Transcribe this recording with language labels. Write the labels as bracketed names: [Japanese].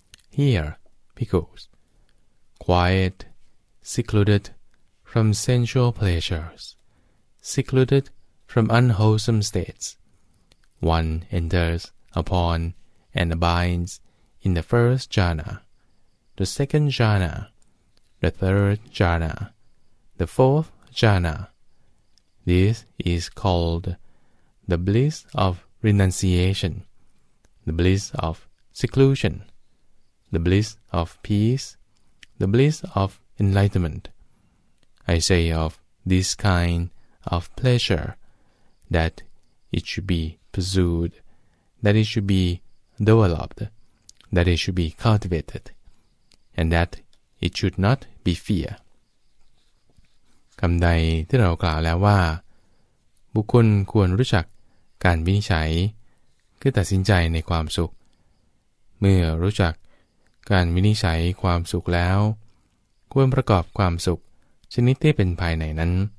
[English] Here, because quiet, secluded from sensual pleasures, secluded from unwholesome statesOne enters upon and abides in the first jhana, the second jhana, the third jhana, the fourth jhana. This is called the bliss of renunciation, the bliss of seclusion, the bliss of peace, the bliss of enlightenment. I say of this kind of pleasure that it should be pursued, that it should be developed, that it should be cultivated, and that it should not be fear. [Thai] คำใดที่เรากล่าวแล้วว่าบุคคลควรรู้จักการวินิจฉัยคือตัดสินใจในความสุขเมื่อรู้จักการวินิจฉัยความสุขแล้วควรประกอบความสุขชนิดที่เป็นภายในนั้น